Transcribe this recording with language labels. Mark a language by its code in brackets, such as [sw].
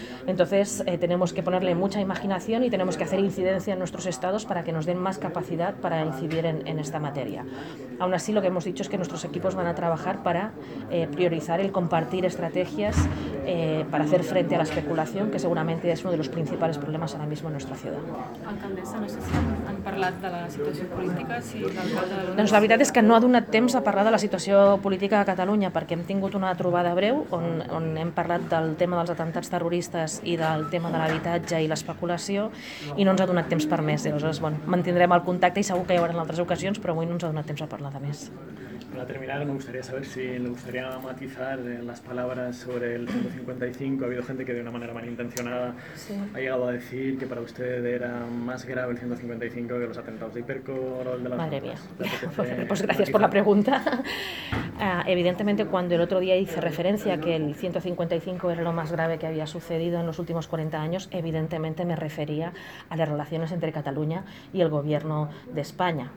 [es] Entonces, tenemos que ponerle mucha imaginación y tenemos que hacer incidencia en nuestros estados para que nos den más capacidad para incidir en esta materia. Aún así, lo que hemos dicho es que nuestros equipos van a trabajar para priorizar el compartir estrategias para hacer frente a la especulación, que seguramente es uno de los principales problemas ahora mismo en nuestra ciudad. [ca] Alcaldessa, no sé si han parlat de la situació política, si l'alcalde de Londres... La veritat és que no ha donat temps a parlar de la situació política a Catalunya, perquè hem tingut una trobada breu on hem parlat del tema dels atemptats terroristes i del tema de l'habitatge i l'especulació, i no ens ha donat temps per més. Llavors, bueno, mantindrem el contacte i segur que hi haurà en altres ocasions, però avui no ens ha donat temps a parlar de més. [es] Para terminar, me gustaría saber si le gustaría matizar las palabras sobre el 155. Ha habido gente que de una manera malintencionada ha llegado a decir que para usted era más grave el 155 que los atentados de Hipercore o el de las... Madre mía. Pues gracias por la pregunta. Evidentemente, cuando el otro día hice referencia a que el 155 era lo más grave que había sucedido en los últimos 40 años, evidentemente me refería a las relaciones entre Cataluña y el gobierno de España.